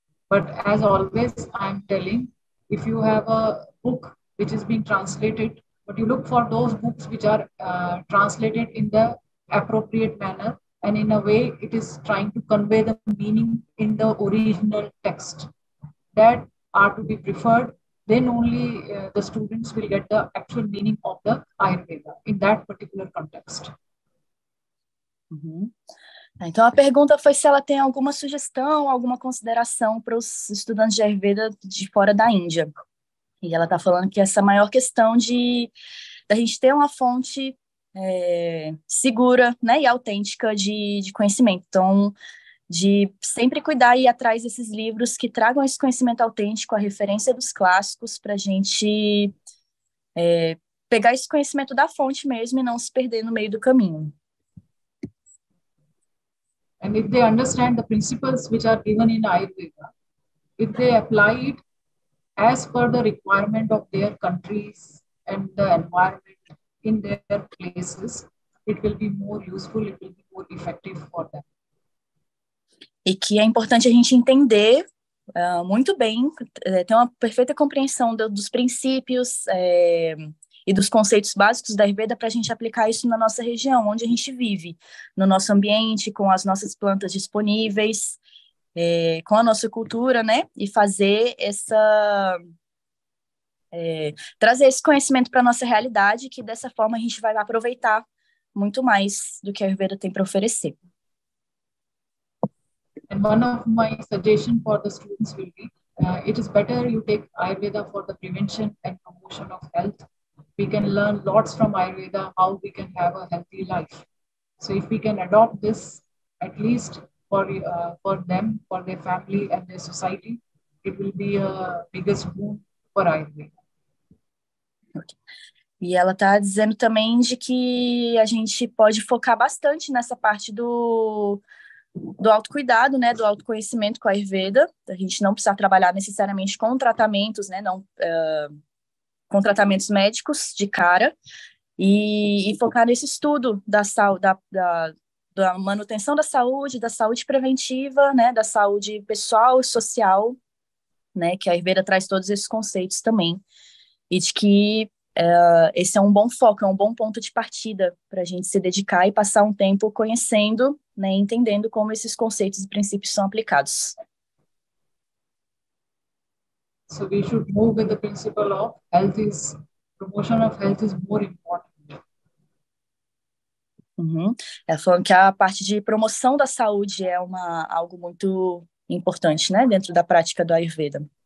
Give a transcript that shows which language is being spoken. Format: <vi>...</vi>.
<en>But as always, I'm telling, if you have a book which is being translated, but you look for those books which are translated in the appropriate manner and in a way it is trying to convey the meaning in the original text. That are to be preferred, then only the students will get the actual meaning of the Ayurveda in that particular context. Uhum.</en> <pt>Então a pergunta foi se ela tem alguma sugestão, alguma consideração para os estudantes de Ayurveda de fora da Índia. E ela está falando que essa maior questão de a gente ter uma fonte segura, né, e autêntica de conhecimento. Então, de sempre cuidar e ir atrás desses livros que tragam esse conhecimento autêntico, a referência dos clássicos, para a gente pegar esse conhecimento da fonte mesmo e não se perder no meio do caminho.</pt> <en>And if they understand the principles which are given in Ayurveda, if they apply it as per the requirement of their countries and the environment in their places, it will be more useful, it will be more effective for them.</en> <pt>E que é importante a gente entender muito bem, ter uma perfeita compreensão dos princípios e dos conceitos básicos da Ayurveda para a gente aplicar isso na nossa região, onde a gente vive, no nosso ambiente, com as nossas plantas disponíveis, com a nossa cultura, né, e fazer essa, trazer esse conhecimento para a nossa realidade, que dessa forma a gente vai aproveitar muito mais do que a Ayurveda tem para oferecer.</pt> <en>And one of my suggestions for the students will be, it is better you take Ayurveda for the prevention and promotion of health. We can learn lots from Ayurveda, how we can have a healthy life. So if we can adopt this, at least for them, for their family and their society, it will be a biggest boon for Ayurveda.</en> <pt>Okay. E ela está dizendo também de que a gente pode focar bastante nessa parte do autocuidado, né, do autoconhecimento com a Ayurveda. A gente não precisa trabalhar necessariamente com tratamentos, né, com tratamentos médicos de cara, e focar nesse estudo da saúde, da manutenção da saúde preventiva, né, da saúde pessoal e social, né, que a Ayurveda traz todos esses conceitos também, e de que esse é um bom foco, é um bom ponto de partida para a gente se dedicar e passar um tempo conhecendo, né, entendendo como esses conceitos e princípios são aplicados.</pt> <en>So we should move with the principle of health is, promotion of health is more important.</en> <pt>Ela falou que a parte de promoção da saúde é algo muito importante, né, dentro da prática do Ayurveda.</pt>